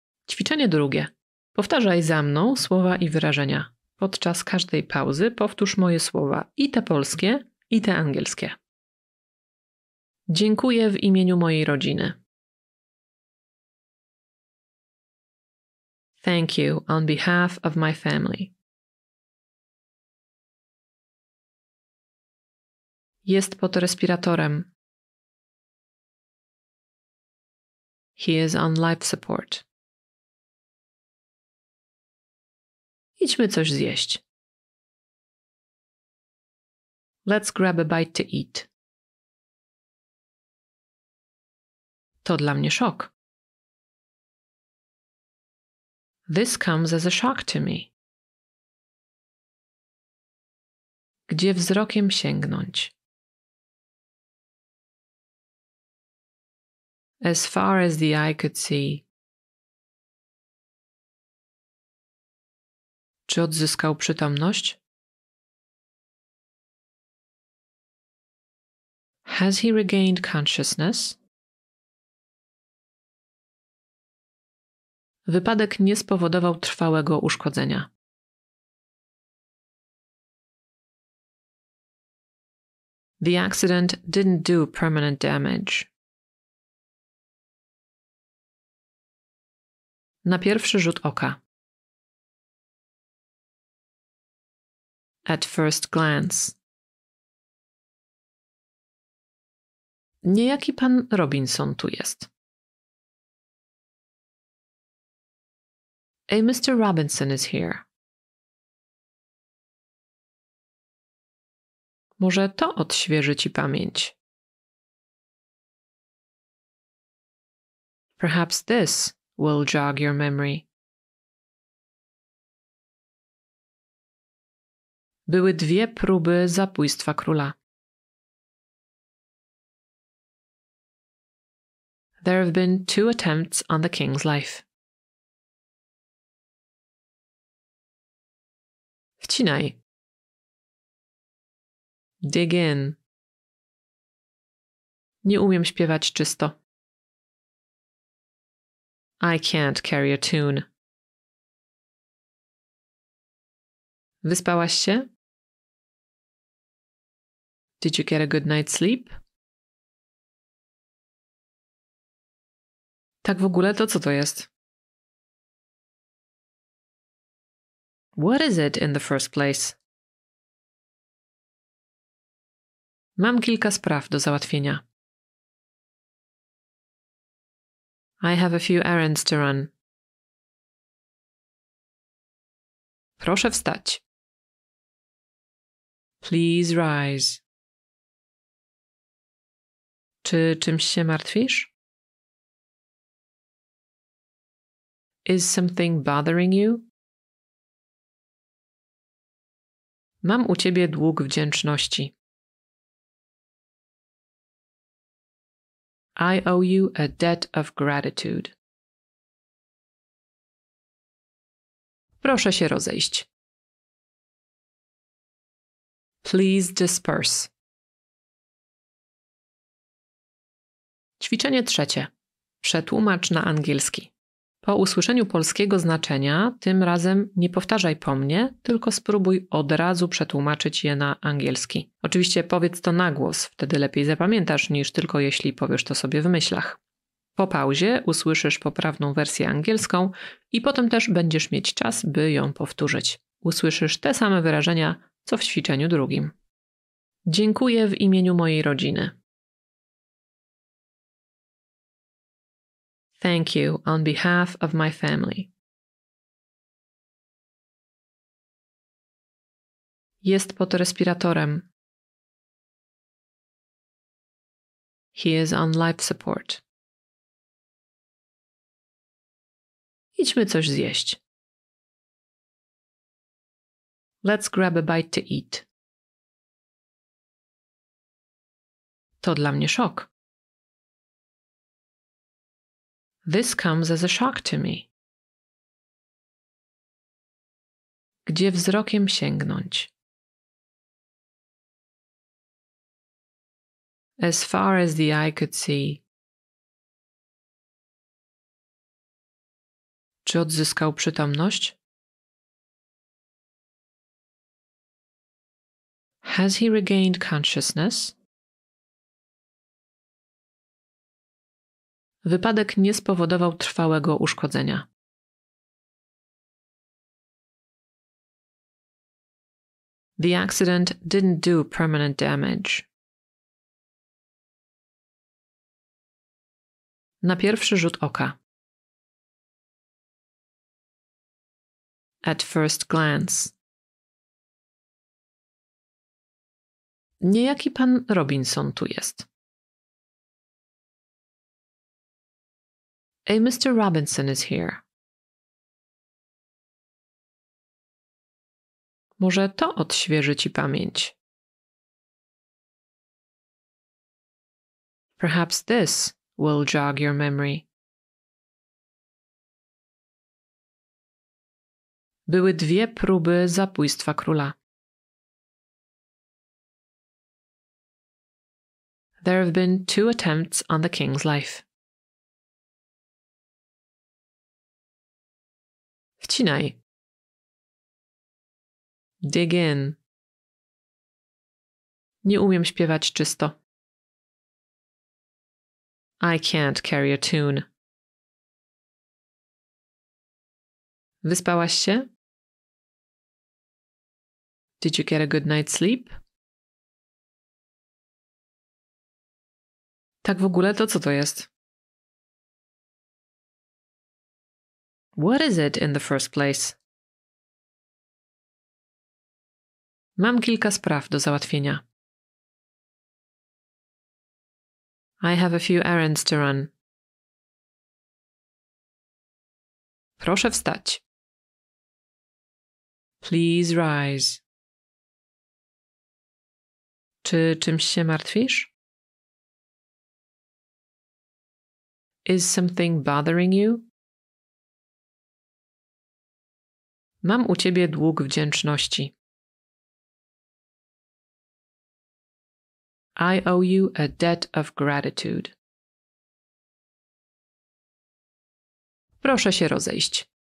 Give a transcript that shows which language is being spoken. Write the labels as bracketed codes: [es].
[pl] Ćwiczenie drugie. Powtarzaj za mną słowa i wyrażenia. Podczas każdej pauzy powtórz moje słowa i te polskie, i te angielskie. Dziękuję w imieniu mojej rodziny. [en] Thank you on behalf of my family. [pl] Jest pod respiratorem. [en] He is on life support. [pl] Idźmy coś zjeść. [en] Let's grab a bite to eat. [pl] To dla mnie szok. [en] This comes as a shock to me. [pl] Gdzie wzrokiem sięgnąć? [en] As far as the eye could see. [pl] Czy odzyskał przytomność? [en] Has he regained consciousness? [pl] Wypadek nie spowodował trwałego uszkodzenia. [en] The accident didn't do permanent damage. [pl] Na pierwszy rzut oka. [en] At first glance. [pl] Niejaki pan Robinson tu jest. [en] A Mr. Robinson is here. [pl] Może to odświeży ci pamięć. [en] Perhaps this will jog your memory. [pl] Były dwie próby zabójstwa króla. [en] There have been two attempts on the king's life. [pl] Wcinaj. [en] Dig in. [pl] Nie umiem śpiewać czysto. [en] I can't carry a tune. [pl] Wyspałaś się? [en] Did you get a good night's sleep? [pl] Tak w ogóle to co to jest? [en] What is it in the first place? [pl] Mam kilka spraw do załatwienia. [en] I have a few errands to run. [pl] Proszę wstać. [en] Please rise. [pl] Czy czymś się martwisz? [en] Is something bothering you? [pl] Mam u ciebie dług wdzięczności. [en] I owe you a debt of gratitude. [pl] Proszę się rozejść. [en] Please disperse. [pl] Ćwiczenie trzecie. Przetłumacz na angielski. Po usłyszeniu polskiego znaczenia, tym razem nie powtarzaj po mnie, tylko spróbuj od razu przetłumaczyć je na angielski. Oczywiście powiedz to na głos, wtedy lepiej zapamiętasz niż tylko jeśli powiesz to sobie w myślach. Po pauzie usłyszysz poprawną wersję angielską i potem też będziesz mieć czas, by ją powtórzyć. Usłyszysz te same wyrażenia, co w ćwiczeniu drugim. Dziękuję w imieniu mojej rodziny. [en] Thank you on behalf of my family. [pl] Jest pod respiratorem. [en] He is on life support. [pl] Idźmy coś zjeść. [en] Let's grab a bite to eat. [pl] To dla mnie szok. [en] This comes as a shock to me. [pl] Gdzie wzrokiem sięgnąć? [en] As far as the eye could see. [pl] Czy odzyskał przytomność? [en] Has he regained consciousness? [pl] Wypadek nie spowodował trwałego uszkodzenia. [en] The accident didn't do permanent damage. [pl] Na pierwszy rzut oka. [en] At first glance. [pl] Niejaki pan Robinson tu jest. [en] A Mr. Robinson is here. [pl] Może to odświeży ci pamięć. [en] Perhaps this will jog your memory. [pl] Były dwie próby zabójstwa króla. [en] There have been two attempts on the king's life. [pl] Wcinaj. [en] Dig in. [pl] Nie umiem śpiewać czysto. [en] I can't carry a tune. [pl] Wyspałaś się? [en] Did you get a good night's sleep? [pl] Tak w ogóle to co to jest? [en] What is it in the first place? [pl] Mam kilka spraw do załatwienia. [en] I have a few errands to run. [pl] Proszę wstać. [en] Please rise. [pl] Czy czymś się martwisz? [en] Is something bothering you? [pl] Mam u ciebie dług wdzięczności. [en] I owe you a debt of gratitude. [pl] Proszę się rozejść.